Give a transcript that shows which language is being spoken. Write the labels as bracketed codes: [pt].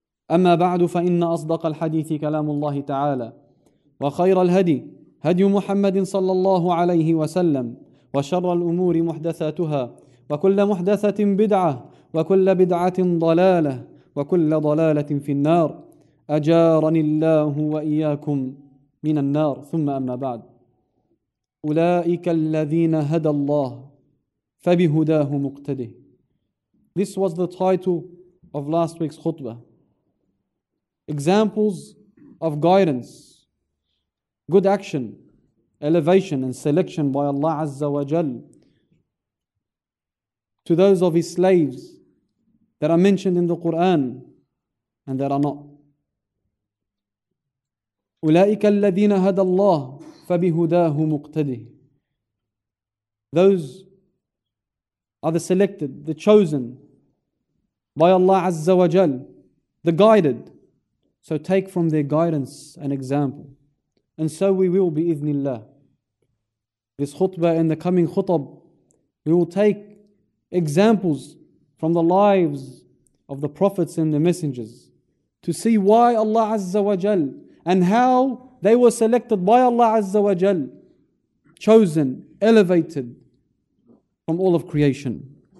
[ar] أما بعد فإن أصدق الحديث كلام الله تعالى وخير الهدي هدي محمد صلى الله عليه وسلم وشر الأمور محدثاتها وكل محدثة بدعة وكل بدعة ضلالة وكل ضلالة في النار أجارني الله وإياكم من النار. ثم أما بعد أولئك الذين هدى الله فبهداه مقتده. [en] This was the title of last week's khutbah. Examples of guidance, good action, elevation and selection by Allah Azza wa Jal to those of His slaves that are mentioned in the Quran and that are not. [ar] أولئك الذين هدى الله فبهداه مقتده. [en] Those are the selected, the chosen by Allah Azza wa Jal, the guided. So take from their guidance an example. And so we will be bi-ithnillah. This khutbah and the coming khutab, we will take examples from the lives of the prophets and the messengers to see why Allah Azza wa Jal and how they were selected by Allah Azza wa Jal, chosen, elevated from all of creation.